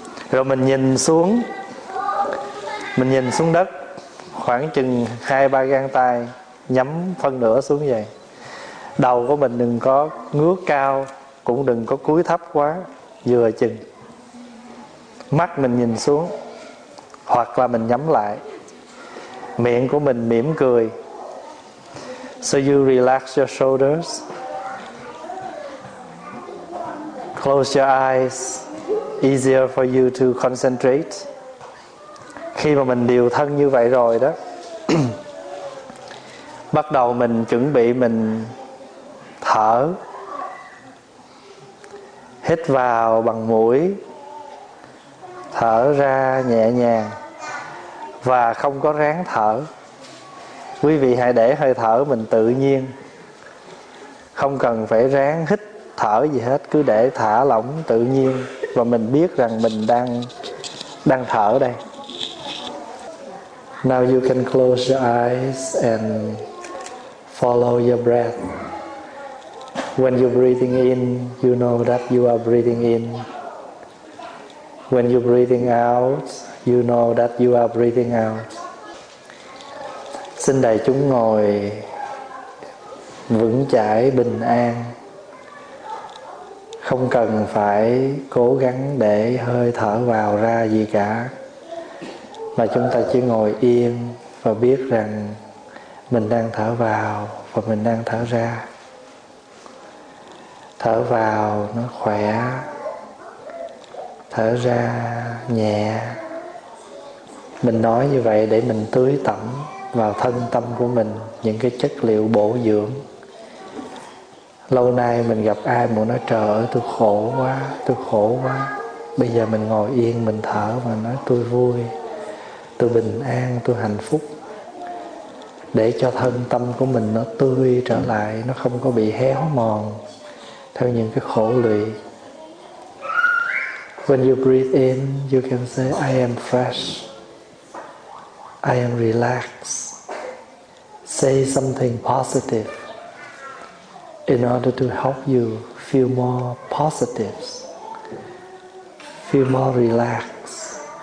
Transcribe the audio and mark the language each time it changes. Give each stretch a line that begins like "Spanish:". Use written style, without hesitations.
Vietnamese: Rồi mình nhìn xuống, mình nhìn xuống đất khoảng chừng 2-3 gang tay, nhắm phân nửa xuống vậy. Đầu của mình đừng có ngước cao, cũng đừng có cúi thấp quá, vừa chừng. Mắt mình nhìn xuống hoặc là mình nhắm lại. Miệng của mình mỉm cười.
English: So you relax your shoulders. Close your eyes, easier for you to concentrate.
Vietnamese: Khi mà mình điều thân như vậy rồi đó, bắt đầu mình chuẩn bị mình thở. Hít vào bằng mũi, thở ra nhẹ nhàng và không có ráng thở. Quý vị hãy để hơi thở mình tự nhiên, không cần phải ráng hít thở gì hết, cứ để thả lỏng tự nhiên và mình biết rằng mình đang thở đây.
English: Now you can close your eyes and follow your breath. When you're breathing in, you know that you are breathing in. When you're breathing out, you know that you are breathing out.
Vietnamese: Xin đại chúng ngồi vững chãi bình an. Không cần phải cố gắng để hơi thở vào ra gì cả, mà chúng ta chỉ ngồi yên và biết rằng mình đang thở vào và mình đang thở ra. Thở vào nó khỏe, thở ra nhẹ. Mình nói như vậy để mình tưới tẩm vào thân tâm của mình những cái chất liệu bổ dưỡng. Lâu nay mình gặp ai mà nói trời ơi tôi khổ quá, tôi khổ quá. Bây giờ mình ngồi yên, mình thở và nói tôi vui, tôi bình an, tôi hạnh phúc. Để cho thân tâm của mình nó tươi trở lại, nó không có bị héo mòn theo những cái khổ lụy.
English: When you breathe in, you can say I am fresh, I am relaxed. Say something positive in order to help you feel more positive, feel more relaxed.